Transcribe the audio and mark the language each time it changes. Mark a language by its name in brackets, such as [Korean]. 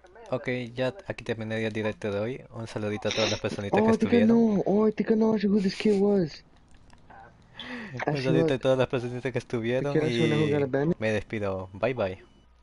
[Spanish] Ok, ya aquí terminé el directo de hoy. Un saludito a todas las personitas oh, que estuvieron. [English] Oh, I think I know who this kid was. [Spanish] Un saludo a todas las personas que estuvieron y me despido. Bye bye.